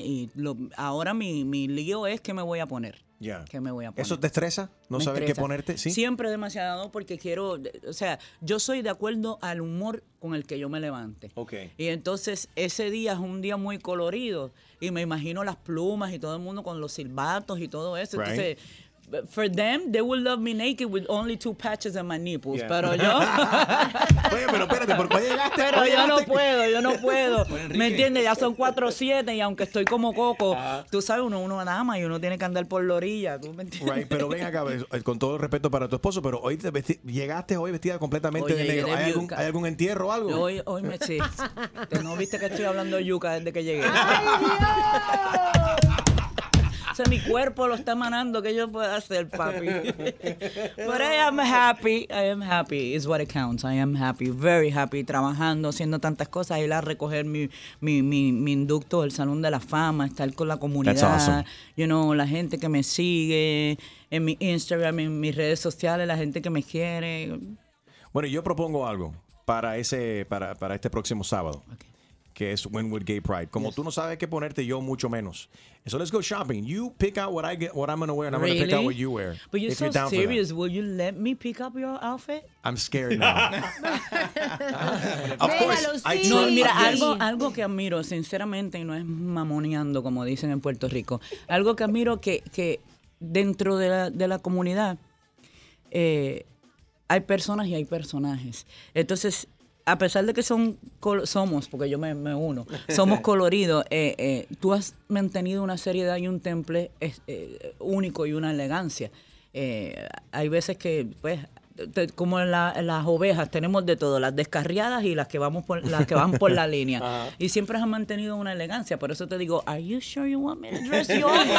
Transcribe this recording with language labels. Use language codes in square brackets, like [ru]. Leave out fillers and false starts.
[es] Y ahora mi lío es que me voy a poner. ¿Qué me voy a poner? ¿Eso te estresa? ¿No saber qué ponerte? ¿Sí? Siempre demasiado porque quiero... O sea, yo soy de acuerdo al humor con el que yo me levante. [en] Okay. [es] Y entonces ese día es un día muy colorido y me imagino las plumas y todo el mundo con los silbatos y todo eso. [en] Right. Entonces, for them, they will love me naked with only 2 patches on my nipples. [es] Yeah. Pero yo... Oye, pero espérate, ¿por qué llegaste? Pero oye, yo no puedo. ¿Me entiendes? Ya son 4'7" y aunque estoy como coco, tú sabes, uno ama y uno tiene que andar por la orilla. ¿Tú me entiendes? Right, pero ven acá, con todo el respeto para tu esposo, pero hoy llegaste hoy vestida completamente de negro. ¿Hay algún entierro o algo? Yo hoy me chiste. ¿No viste que estoy hablando yuca desde que llegué? ¡Ay, Dios! O sea, mi cuerpo lo está manando, ¿qué yo puedo hacer, papi? [en] But I am happy, is what it counts. I am happy, very happy, [es] trabajando, haciendo tantas cosas, ir a recoger mi inducto, el Salón de la Fama, estar con la comunidad. [en] That's awesome. You know, [es] la gente que me sigue en mi Instagram, en mis redes sociales, la gente que me quiere. Bueno, yo propongo algo para este próximo sábado. [en] Okay. [es] que es Wynwood Gay Pride. Como yes. tú no sabes qué ponerte, yo mucho menos. [en] So let's go shopping. You pick out what I get, what I'm going to wear, and I'm really? Going to pick out what you wear. But you're so you're serious. Will you let me pick up your outfit? I'm scared now. Of course. [es] I no, mira, algo que admiro, sinceramente, y no es mamoneando, como dicen en Puerto Rico. Algo que admiro que dentro de la comunidad hay personas y hay personajes. Entonces, a pesar de que somos, porque yo me uno, somos coloridos, tú has mantenido una seriedad y un temple único y una elegancia. Hay veces que, pues, como las ovejas, tenemos de todo, las descarriadas y las que van por la línea. Uh-huh. Y siempre has mantenido una elegancia. Por eso te digo, [en] are you sure you want me to dress you up?